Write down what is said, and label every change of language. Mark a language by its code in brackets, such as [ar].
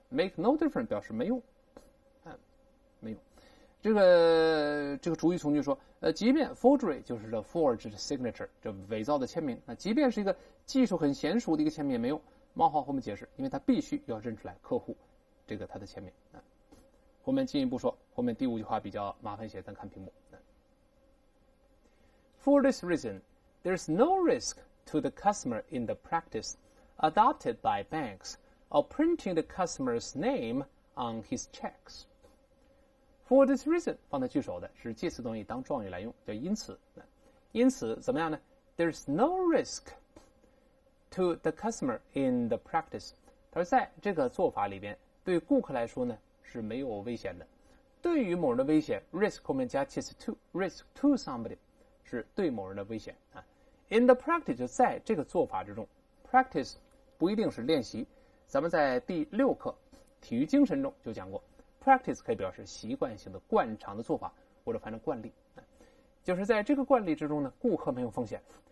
[en] Make no difference [zh] 表示没用。没有，这个主语从句说，即便 forgery 就是 [en] the forged signature [zh] 这伪造的签名，那即便是一个技术很娴熟的一个签名也没用。冒号后面解释，因为他必须要认出来客户这个他的签名啊。后面进一步说，后面第五句话比较麻烦些，咱看屏幕。 [en] For this reason, there's no risk to the customer in the practice adopted by banks of printing the customer's name on his checks. For this reason [zh] 放在句首的是介词动词当状语来用，叫因此。因此怎么样呢？ [en] There's no risk to the customer in the practice。 [zh] 他说在这个做法里边对顾客来说呢是没有危险的。对于某人的危险， risk 后面加介词 to， [en] risk to somebody [zh] 是对某人的危险啊。 [en] In the practice [zh] 就在这个做法之中， practice 不一定是练习，咱们在第六课体育精神中就讲过，Practice 可以表示习惯性的惯常的做法，或者反正惯例，就是在这个惯例之中呢，顾客没有风险。